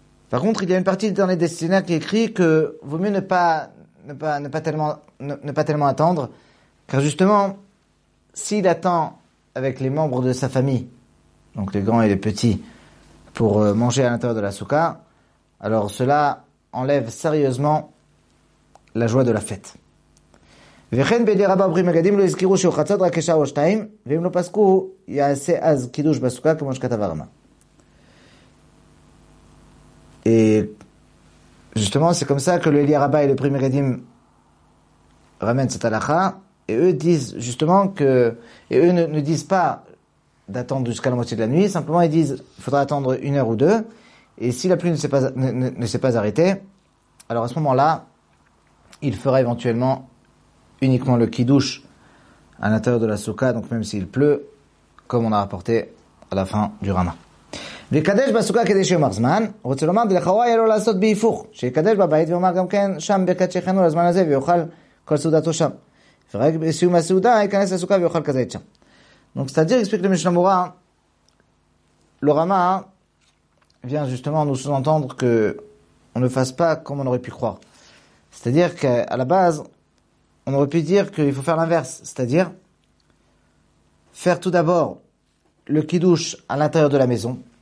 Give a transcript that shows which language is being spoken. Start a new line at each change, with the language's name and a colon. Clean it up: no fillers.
French: Par contre, il y a une partie dans les destinataires qui écrit que vaut mieux ne pas tellement attendre, car justement, s'il attend avec les membres de sa famille, donc les grands et les petits, pour manger à l'intérieur de la soukha, alors cela enlève sérieusement la joie de la fête.
Hebrew: וכן בידי רבה עוברים מגדים לא הזכירו שהוא חצות רק כשעה או שתיים, ואם לא פסקו, יעשה אז קידוש בסוכה כמו שכתב הרמה.
French: Justement, c'est comme ça que le Eliyahu Rabba et le Prime Gadim ramènent cette halakha, et eux disent justement que, et eux ne disent pas d'attendre jusqu'à la moitié de la nuit, simplement ils disent qu'il faudra attendre une heure ou deux, et si la pluie ne s'est pas arrêtée, alors à ce moment-là, il fera éventuellement uniquement le kiddush à l'intérieur de la soukha, donc même s'il pleut, comme on a rapporté à la fin du Rama.
Hebrew: וקדש בסוכה כדי שיאמר זמן, רוצה לומר, דלכאורה יהיה לו לעשות בהיפוך, שיקדש בבית ויאמר גם כן שם בקדשי חנו לזמן הזה ויאכל כל סעודתו שם. ורק בסיום הסעודה ייכנס לסוכה ויאכל כזית שם.
French: Donc c'est-à-dire, explique le Mishnah Moura, le Rama vient justement nous sous-entendre que on ne fasse pas comme on aurait pu croire. C'est-à-dire qu'à la base, on aurait pu dire qu'il faut faire l'inverse, c'est-à-dire faire tout d'abord le kiddush à l'intérieur de la maison